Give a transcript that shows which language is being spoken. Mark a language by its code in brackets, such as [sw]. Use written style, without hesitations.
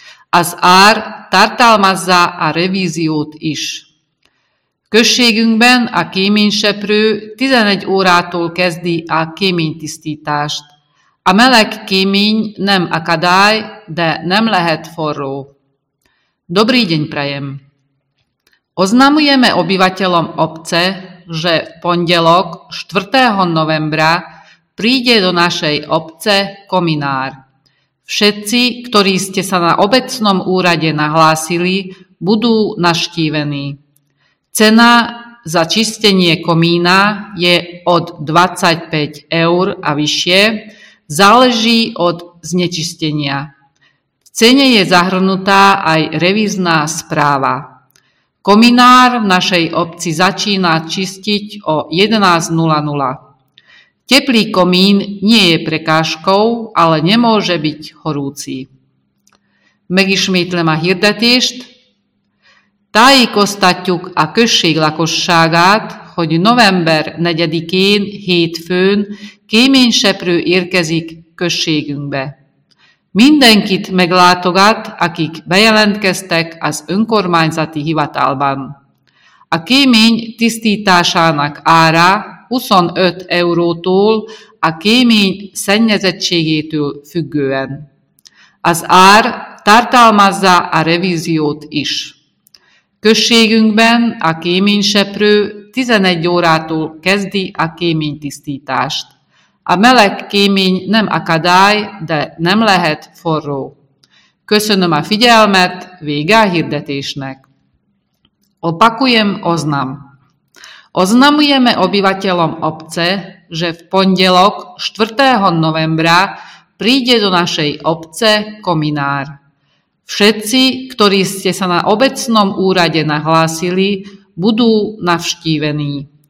[hu] Az ár tartalmazza a revíziót is. Községünkben a kéményseprő 11 órától kezdi a kéménytisztítást. A meleg kémény nem akadály, de nem lehet forró. [sk] Dobrý deň prajem. Oznamujeme obyvateľom obce, že v pondelok 4. novembra príde do našej obce kominár. Všetci, ktorí ste sa na obecnom úrade nahlásili, budú navštívení. Cena za čistenie komína je od 25 eur a vyššie, záleží od znečistenia. V cene je zahrnutá aj revízna správa. Kominár v našej obci začína čistiť o 11:00. Teplý komín nie je prekážkou, ale nemôže byť horúci. [hu] Megismétlem a hirdetést. Tájékoztatjuk a község lakosságát, hogy november 4-én, hétfőn kéményseprő érkezik községünkbe. Mindenkit meglátogat, akik bejelentkeztek az önkormányzati hivatalban. A kémény tisztításának ára 25 eurótól a kémény szennyezettségétől függően. Az ár tartalmazza a revíziót is. Községünkben a kéményseprő 11 órától kezdi a kéménytisztítást. A meleg kémény nem akadály, de nem lehet forró. Köszönöm a figyelmet, vége a hirdetésnek. [sk] Opakujem oznam. Oznamujeme obyvateľom obce, že v pondelok 4. novembra príde do našej obce kominár. Všetci, ktorí ste sa na obecnom úrade nahlásili, budú navštívení.